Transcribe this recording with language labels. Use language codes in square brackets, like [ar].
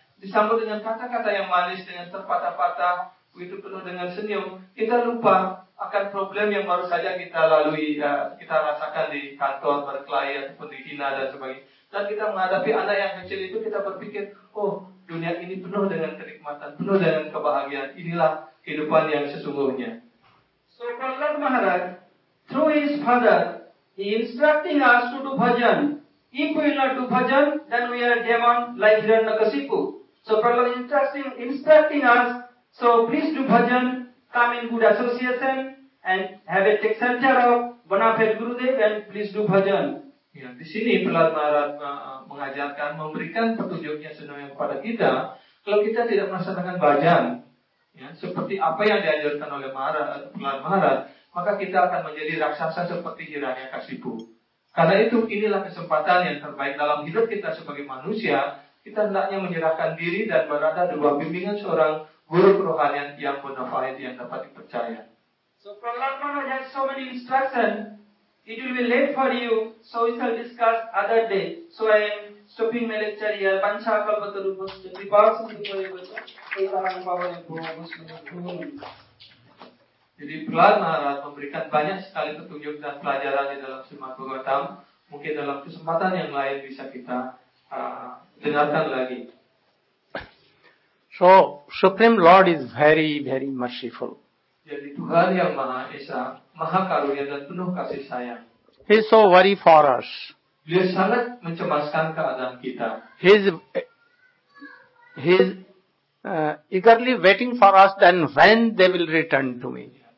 [id] Disambut dengan kata-kata yang manis, dengan terpatah-patah. Itu penuh dengan senyum, kita lupa akan problem yang baru saja kita lalui, kita rasakan di kantor, berklien, pendidikan, dan sebagainya. Dan kita menghadapi anak yang kecil itu, kita berpikir, oh, dunia ini penuh dengan kenikmatan, penuh dengan kebahagiaan. Inilah kehidupan yang sesungguhnya. [en] So, Prahlad Maharaj, through his father, he instructing us to do bhajan. If we not do bhajan, then we are a demon like Hiranyakashipu. So, Prahlad instructing us, so please do bhajan, come in good association and have a take shelter of Banafet Gurudev and please do bhajan. [id] Ya, di sini Prahlad Maharaj mengajarkan, memberikan petunjuknya sebenarnya kepada kita, kalau kita tidak melaksanakan bhajan, ya, seperti apa yang diajarkan oleh Prahlad Maharaj, maka kita akan menjadi raksasa seperti Hiranyakashipu. Karena itu inilah kesempatan yang terbaik dalam hidup kita sebagai manusia, kita hendaknya menyerahkan diri dan berada di bawah bimbingan seorang guru kerohanian yang bonafide, yang dapat dipercaya. [en] So Prahlad Maharaj has so many instructions, it will be late for you, so we shall discuss other day. So I am stopping my lecture here. Bansha Kalpata Rupas, the Vipas, the Vipas, [id] jadi Prahlad Maharaj memberikan banyak sekali petunjuk dan pelajaran di dalam Srimad Bhagavatam. Mungkin dalam kesempatan yang lain bisa kita dengarkan lagi. [en] So, Supreme Lord is very, very merciful. [id] Jadi Tuhan yang Maha Esa, Maha Karunia dan penuh kasih sayang. [en] He is so worried for us. [id] Dia sangat mencemaskan keadaan kita. [en] He is eagerly waiting for us, then when they will return to me.